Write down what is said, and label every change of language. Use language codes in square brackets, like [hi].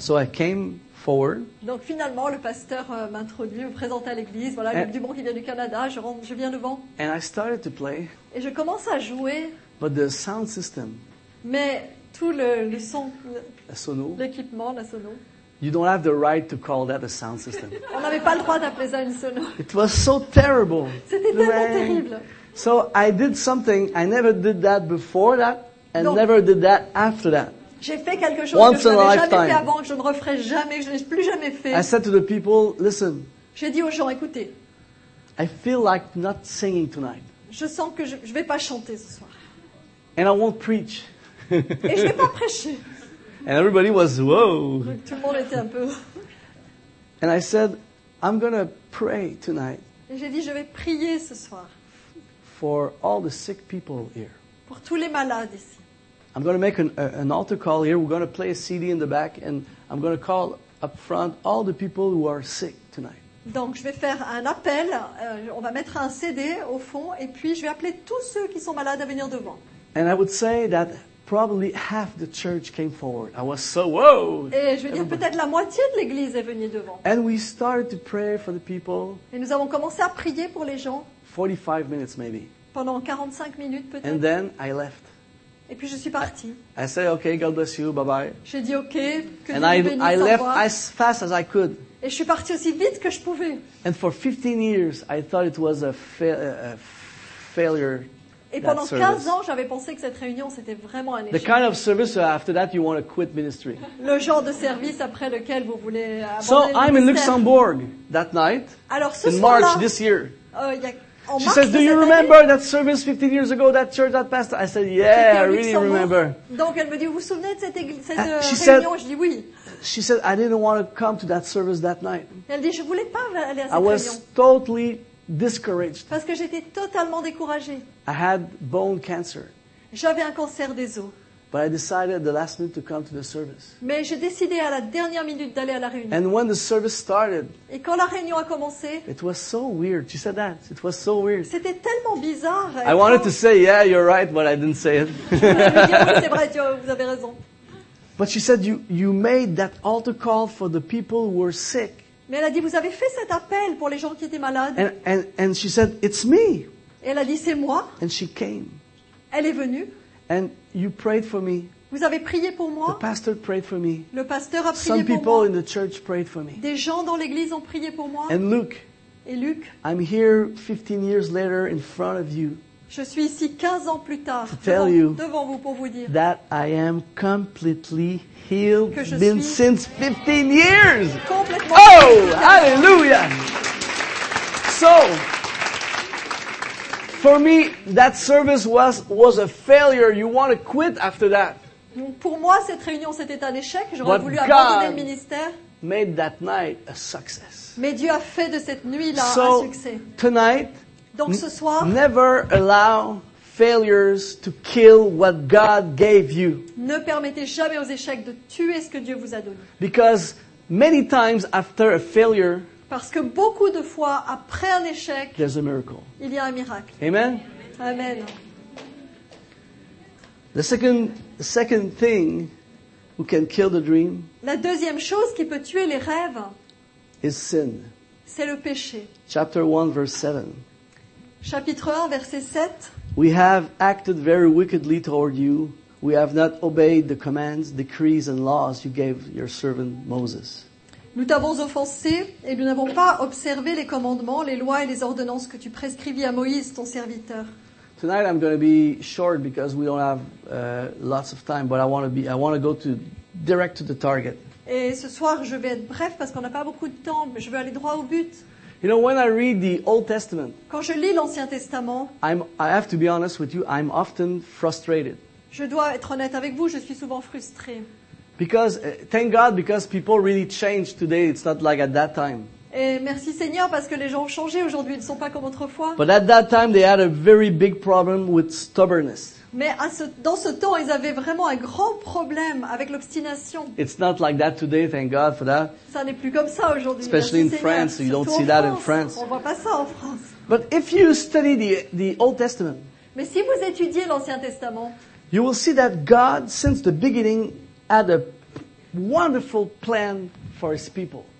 [en] So I came forward. [fr] Donc finalement, le pasteur m'introduit, me présente à l'église. Voilà, Luc Dumont qui vient du Canada. Je viens devant. [en] And I started to play. [fr] Et je commence à jouer. [en] But the sound system. [fr] Mais tout le son. La sono. L'équipement, la sono. [en] You don't have the right to call that a sound system. [fr] On n'avait pas le droit d'appeler ça une sono. [en] It was so terrible. [fr] C'était tellement terrible. [en] So I did something. I never did that before that, and donc, never did that after that. [fr] J'ai fait quelque chose [en] once [fr] que je n'avais jamais [en] lifetime. [fr] Fait avant, que je ne referai jamais, que je n'ai plus jamais fait. [en] I said to the people, listen. [fr] J'ai dit aux gens, écoutez. [en] I feel like not singing tonight. [fr] Je sens que je vais pas chanter ce soir. [en] And I won't preach. [fr] Et je vais pas prêcher. [en] And everybody was, whoa. [fr] Tout le monde était un peu. [en] And I said, I'm going to pray tonight. [fr] Et j'ai dit, je vais prier ce soir. [en] For all the sick people here. [fr] Pour tous les malades ici. [en] I'm going to make an altar call here. We're going to play a CD in the back. And I'm going to call up front all the people who are sick tonight. [fr] Donc, je vais faire un appel. On va mettre un CD au fond. Et puis, je vais appeler tous ceux qui sont malades à venir devant. [en] And I would say that probably half the church came forward. I was so, whoa! [fr] Et je veux dire, peut-être la moitié de l'église est venue devant. [en] And we started to pray for the people. [fr] Et nous avons commencé à prier pour les gens. [en] 45 minutes, maybe. [fr] Pendant 45 minutes, peut-être. [en] And then I left. [fr] Et puis je suis parti. [en] I said, okay, God bless you, bye-bye. [fr] J'ai dit, ok, que Dieu vous bénisse, au revoir. [en] And I left as fast as I could. [fr] Et je suis parti aussi vite que je pouvais. [en] And for 15 years, I thought it was a failure. [fr] Et pendant 15 ans, j'avais pensé que cette réunion, c'était vraiment un échec. [en] The kind of service after that you want to quit ministry. [fr] Le genre de service après lequel vous voulez abandonner le ministère. [en] So I'm in Luxembourg that night. [fr] Alors ce soir-là, [en] in March this year. She says, "Do you remember that service 15 years ago, that church, that pastor?" I said, "Yeah, I really remember." [fr] Donc elle me dit, "Vous souvenez de cette église, cette réunion?" Je dis oui. [en] She said, "I didn't want to come to that service that night." [fr] Elle dit, "Je voulais pas aller à cette réunion." [en] I was totally discouraged. [fr] Parce que j'étais totalement découragée. [en] I had bone cancer. [fr] J'avais un cancer des os. [en] But I decided at the last minute to come to the service. [fr] Mais j'ai décidé à la dernière minute d'aller à la réunion. [en] And when the service started, [fr] et quand la réunion a commencé, [en] it was so weird. She said that. It was so weird. [fr] C'était tellement bizarre. [en] I wanted to say, "Yeah, you're right," but I didn't say it. [fr] Je voulais lui dire, "Oui, c'est vrai, vous avez raison." [en] But she said, "You made that altar call for the people who were sick." [fr] Mais elle a dit, vous avez fait cet appel pour les gens qui étaient malades. [en] And she said, "It's me." [fr] Et elle a dit, c'est moi. [en] And she came. [fr] Elle est venue. [en] And you prayed for me. [fr] Vous avez prié pour moi. [en] The pastor prayed for me. [fr] Le pasteur a prié pour moi. [en] Some people in the church prayed for me. [fr] Des gens dans l'église ont prié pour moi. [en] And Luke. [fr] Et Luc. [en] I'm here 15 years later in front of you. [fr] Je suis ici 15 ans plus tard devant vous pour vous dire [en] that I am completely healed been since 15 years. Oh, hallelujah. So, for me, that service was a failure. You want to quit after that. [fr] Pour moi, cette réunion, c'était un échec. J'aurais voulu abandonner le ministère. [en] Made that night a success. [fr] Mais Dieu a fait de cette nuit-là [en] so, [fr] un succès. [en] Tonight, [fr] donc ce soir, [en] never allow failures to kill what God gave you. [fr] Ne permettez jamais aux échecs de tuer ce que Dieu vous a donné. [en] Because many times after a failure, [fr] parce que beaucoup de fois après un échec, [en] there's a miracle. [fr] Il y a un miracle. [en] Amen. [fr] Amen. [en] The second thing who can kill the dream, [fr] la deuxième chose qui peut tuer les rêves, [en] is sin. [fr] C'est le péché. [en] Chapter 1 verse 7. [fr] Chapitre 1, verset 7. [en] We have acted very wickedly toward you. We have not obeyed the commands, decrees and laws you gave your servant Moses. [fr] Nous t'avons offensé et nous n'avons pas observé les commandements, les lois et les ordonnances que tu prescrivis à Moïse, ton serviteur. [en] Tonight I'm going to be short because we don't have lots of time, but I want to go direct to the target. [fr] Et ce soir je vais être bref parce qu'on n'a pas beaucoup de temps, mais je veux aller droit au but. [en] You know, when I read the Old Testament, [fr] quand je lis l'Ancien Testament, [en] I have to be honest with you, I'm often frustrated. [fr] Je dois être honnête avec vous, je suis souvent frustré. [en] Because thank God, because people really change today. It's not like at that time. [fr] Et merci Seigneur parce que les gens ont changé aujourd'hui. Ils ne sont pas comme autrefois. [en] But at that time, they had a very big problem with stubbornness. [fr] Mais dans ce temps, ils avaient vraiment un grand problème avec l'obstination. [en] It's not like that today, thank God for that. [fr] Ça n'est plus comme ça aujourd'hui. [en] Especially [fr] merci [en] in France, [fr] Seigneur. [en] You don't [fr] Surtout [en] see that in France. [fr] On voit pas ça en France. [en] But if you study the Old Testament. [fr] Mais si vous étudiez l'Ancien Testament. [en] You will see that God, since the beginning, had a wonderful plan for His people.